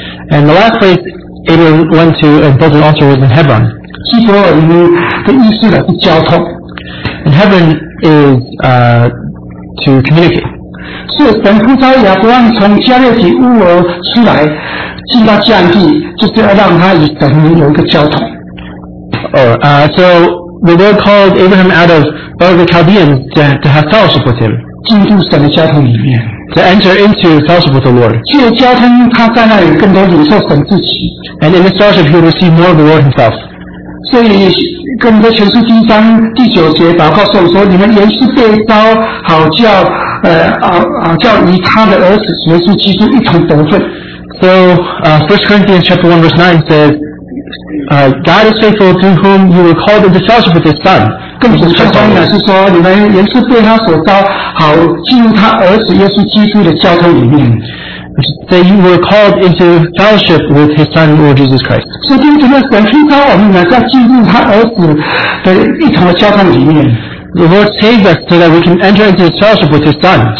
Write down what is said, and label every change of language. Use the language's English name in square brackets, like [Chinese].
[English] And the last place Abraham went to and built an altar was in Hebron. [Chinese] 希伯伦的意思呢是交通。 [English] And Hebron is to communicate. [Chinese] 是神呼召亚伯拉罕从加勒底乌尔出来进到迦南地，就是要让他与神有一个交通。 [English] So the Lord called Abraham out of Ur of the Chaldeans to have fellowship with him. [Chinese] 进入神的交通里面。 [English] To enter into fellowship with the Lord. [Chinese] 借着交通，他在那里更多领受神自己。 [English] And in this fellowship, he will receive more of the Lord himself. [Chinese] 所以跟着前书第一章第九节祷告说：“说你们原是被召，好叫与他的儿子耶稣基督一同得分。” [English] So, First Corinthians chapter 1 verse 9 says, God is faithful to whom you were called into fellowship with his son. [Chinese] 更是说, 你们也是被他所召, 好, [English] that you were called into fellowship with his son, Lord Jesus Christ. So, the Lord saved us so that we can enter into his fellowship with his son.